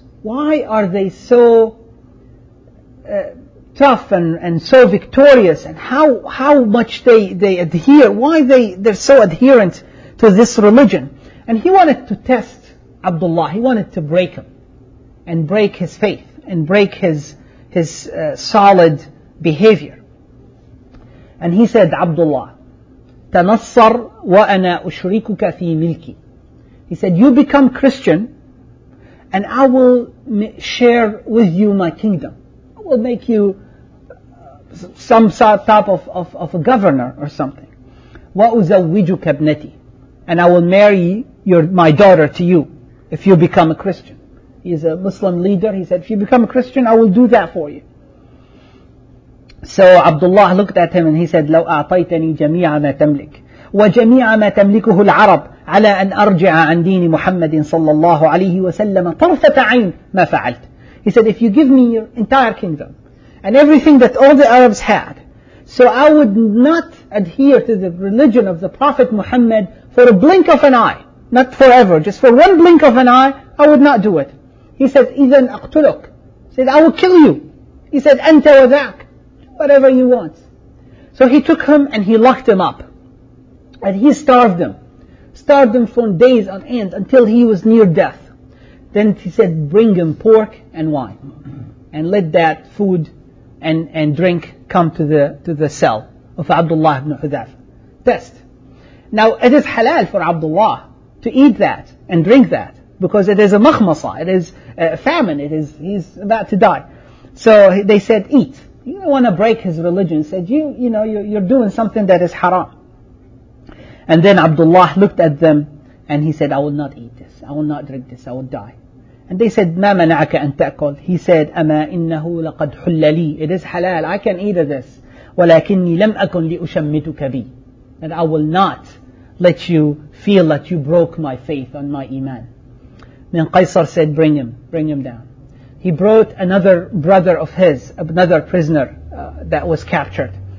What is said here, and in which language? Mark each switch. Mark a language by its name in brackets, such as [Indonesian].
[English] Why are they so tough and so victorious, and how much they adhere, why they're so adherent to this religion. And he wanted to test Abdullah. He wanted to break him and break his faith and break his solid behavior. And he said, Abdullah, [Arabic] تنصر وأنا أشركك في ملكي. [English] He said, you become Christian and I will share with you my kingdom. I will make you some type of a governor or something. [Arabic] وأزوجك ابنتي. [English] And I will marry my daughter to you if you become a Christian. He is a Muslim leader. He said, if you become a Christian, I will do that for you. So Abdullah looked at him and he said, [Arabic] لو أعطيتني جميع ما تملك وجميع ما تملكه العرب على أن أرجع عن دين محمد صلى الله عليه وسلم طرفة عين ما فعلت. [English] He said, if you give me your entire kingdom and everything that all the Arabs had, so I would not adhere to the religion of the Prophet Muhammad for a blink of an eye, not forever, just for one blink of an eye, I would not do it. [Arabic] He said, إذن أقتلك. [English] He said, I will kill you. He said, [Arabic] أنت وذاك. [English] Whatever you want. So he took him and he locked him up. And he starved him. Starved him for days on end until he was near death. Then he said, bring him pork and wine. And let that food and drink come to the cell of Abdullah ibn Hudhafa. Test. Now it is halal for Abdullah to eat that and drink that. Because it is a makhmasa. It is a famine. He's about to die. So they said, eat. He didn't want to break his religion. He said, you're doing something that is haram. And then Abdullah looked at them and he said, I will not eat this. I will not drink this. I will die. And they said, [Arabic] ما منعك أن تأكل? [English] He said, [Arabic] أما إنه لقد حل لي. [English] It is halal. I can eat this. [Arabic] ولكني لم أكن لأشمتك بي. [English] And I will not let you feel that you broke my faith and my iman. Then Qaisar said, bring him. Bring him down. He brought another brother of his, another prisoner that was captured.